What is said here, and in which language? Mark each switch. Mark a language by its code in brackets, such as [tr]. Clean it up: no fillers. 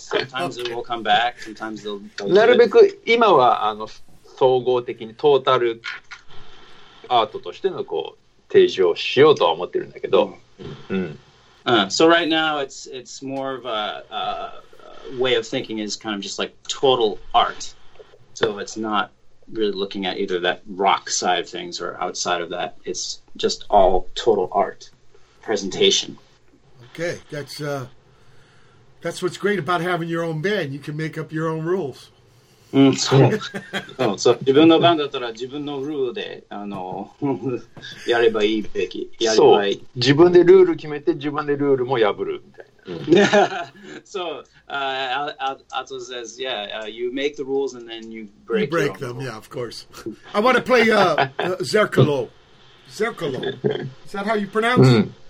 [en] Sometimes it will come back, sometimes they'll... [ja] なるべく今はあの総合的にトータルアートとしてのこう提示をしようとは思ってるんだけど、うん。 [en] So right now it's more of a way of thinking is kind of just like total art. So it's not really looking at either that rock side of things or outside of that. It's just all total art presentation. Okay, that's what's great about having your own band. You can make up your own rules. [ja] そう、自分の番だったら自分のルールであのやればいいべき、やればいい。自分でルール決めて自分でルールも破るみたいな。 [en] So, Atsuo says, yeah, you make the rules and then you break, you break them. Yeah, of course. I want to play zerkalo. Zerkalo. Is that how you pronounce it?